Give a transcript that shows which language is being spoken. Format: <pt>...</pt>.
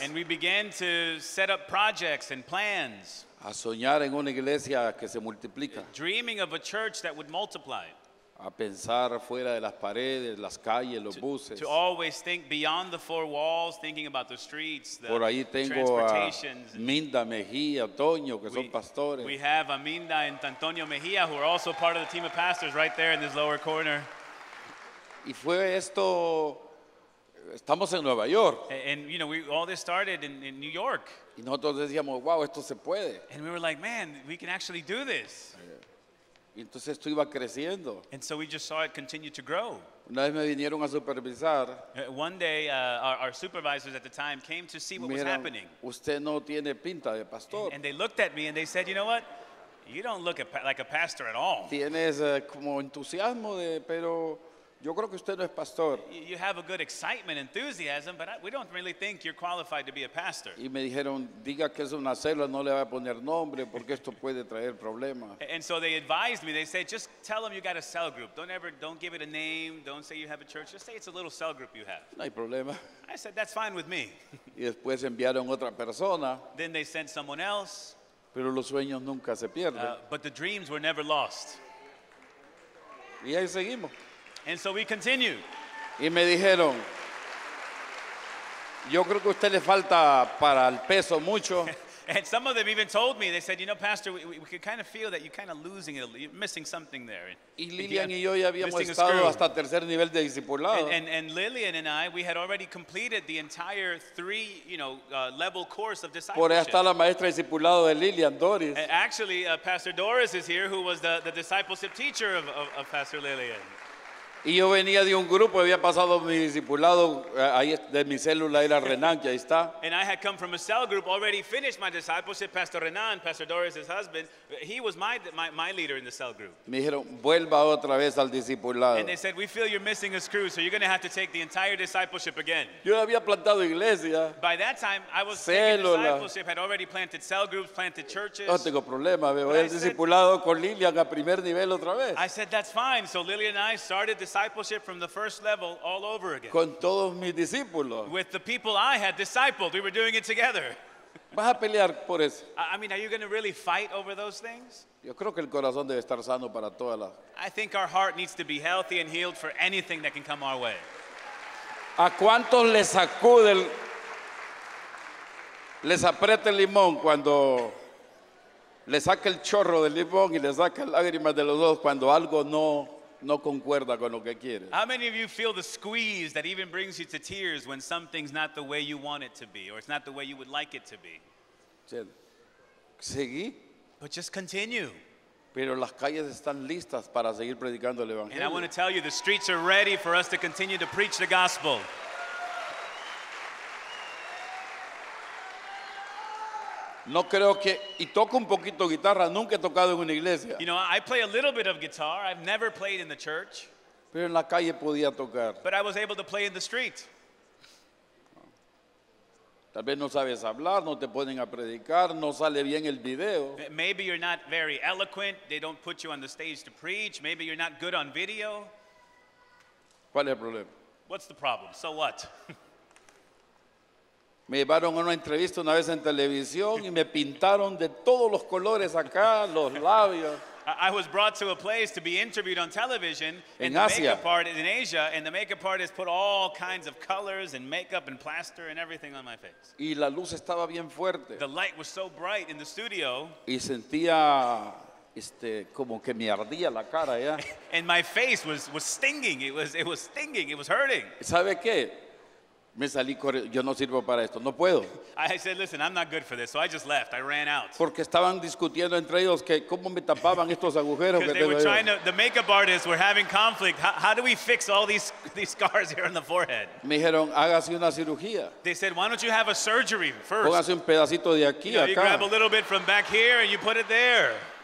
<en>And we began to set up projects and plans.</en> <es>A soñar en una iglesia que se multiplica.</es> <en>Dreaming of a church that would multiply.</en> <es>A pensar fuera de las paredes, las calles, los buses.</es> <en>To always think beyond the four walls, thinking about the streets, the</en> <es>por ahí tengo</es> <en>transportations.</en> <es>A Minda, Mejía, Antonio, que son pastores.</es> <en>We have Aminda and Antonio Mejía, who are also part of the team of pastors right there in this lower corner.</en> <es>Y fue esto, estamos en Nueva York.</es> <en>And you know, all this started in New York.</en> <es>Y nosotros decíamos, wow, esto se puede.</es> <en>And we were like, man, we can actually do this.</en> <es>Y entonces esto iba creciendo.</es> <en>And so we just saw it continue to grow.</en> <es>Una vez me vinieron a supervisar.</es> <en>One day, our supervisors at the time came to see what</en> <es>miran,</es> <en>was happening.</en> <es>Usted no tiene pinta de pastor.</es> <en>And they looked at me and they said, you know what? You don't look like a pastor at all.</en> <es>Tienes como entusiasmo de, pero yo creo que usted no es pastor.</es> <en>You have a good excitement, enthusiasm, but we don't really think you're qualified to be a pastor.</en> <es>Y me dijeron, diga que es una célula, no le va a poner nombre porque esto puede traer problemas.</es> <en>And so they advised me. They said, just tell them you got a cell group. Don't give it a name. Don't say you have a church. Just say it's a little cell group you have.</en> <es>No hay problema.</es> <en>I said, that's fine with me.</en> <es>Y después enviaron otra persona.</es> <en>Then they sent someone else.</en> <es>Pero los sueños nunca se pierden.</es> <en>But the dreams were never lost.</en> <es>Y ahí seguimos.</es> <en>And so we continued.</en> <es>Y me dijeron, Yo creo que a usted le falta para el peso mucho.</es> <en>And some of them even told me, they said, you know, Pastor, we could kind of feel that you're kind of losing it, you're missing something there.</en> <es>Y Lilian y yo ya habíamos estado hasta tercer nivel de discipulado.</es> <en>And Lilian and I, we had already completed the entire three, you know, level course of discipleship.</en> <es>Por ahí está la maestra de discipulado de Lilian, Doris.</es> <en>And actually, Pastor Doris is here, who was the discipleship teacher of Pastor Lilian.</en> <es>Y yo venía de un grupo, había pasado mi discipulado, ahí de mi célula era Renan, que ahí está.</es> <en>And I had come from a cell group, already finished my discipleship, Pastor Renan, Pastor Doris' husband, he was my leader in the cell group.</en> <es>Me dijeron, vuelva otra vez al discipulado.</es> <en>And they said, we feel you're missing a screw, so you're going to have to take the entire discipleship again.</en> <es>Yo había plantado iglesia.</es> <en>By that time, I was célula. Taking discipleship, had already planted cell groups, planted churches.</en> <es>No tengo problema, me voy al discipulado con Lilian a primer nivel otra vez.</es> <en>I said, that's fine, so Lilian and I started discipleship from the first level all over again.</en> <es>Con todos mis discípulos.</es> <en>With the people I had discipled, we were doing it together.</en> <es>¿Vas a pelear por eso?</es> <en>I mean, are you going to really fight over those things?</en> <es>Yo creo que el corazón debe estar sano para todas las...</es> <en>I think our heart needs to be healthy and healed for anything that can come our way.</en> <es>¿A cuántos les sacude el... les aprieta el limón cuando... les saca el chorro del limón y les saca lágrimas de los ojos cuando algo no... no concuerda con lo que quieres?</es> <en>How many of you feel the squeeze that even brings you to tears when something's not the way you want it to be, or it's not the way you would like it to be?</en> <es>¿Seguí?</es> <en>But just continue.</en> <es>Pero las calles están listas para seguir predicando el evangelio.</es> <en>And I want to tell you, the streets are ready for us to continue to preach the gospel.</en> <es>No creo que, y toco un poquito guitarra, nunca he tocado en una iglesia.</es> <en>You know, I play a little bit of guitar. I've never played in the church.</en> <es>Pero en la calle podía tocar.</es> <en>But I was able to play in the street.</en> <es>Tal vez no sabes hablar, no te ponen a predicar, no sale bien el video.</es> <en>Maybe you're not very eloquent. They don't put you on the stage to preach. Maybe you're not good on video.</en> <es>¿Cuál es el problema?</es> <en>What's the problem? So what?</en> <es>Me llevaron a una entrevista una vez en televisión y me pintaron de todos los colores acá, los labios.</es> <en>I was brought to a place to be interviewed on television in Asia. Makeup artist in Asia, and the makeup artist put all kinds of colors and makeup and plaster and everything on my face.</en> <es>Y la luz estaba bien fuerte.</es> <en>The light was so bright in the studio.</en> <es>Y sentía como que me ardía la cara ya.</es> <en>And my face was stinging. It was stinging. It was hurting.</en> <es>¿Sabe qué? Me salí corriendo. Yo no sirvo para esto. No puedo.</es> <en>I said, listen, I'm not good for this. So I just left. I ran out.</en> <es>Porque estaban discutiendo entre ellos que cómo me tapaban estos agujeros.</es> <en>Because they were trying to, the makeup artists were having conflict. How do we fix all these scars here on the forehead?</en> <es>Me dijeron, hágase una cirugía.</es> <en>They said, why don't you have a surgery first?</en> <es>Póngase un pedacito de aquí,</es> <en>you know,</en> <es>acá.</es> <en>You grab a little bit from back here and you put it there.</en>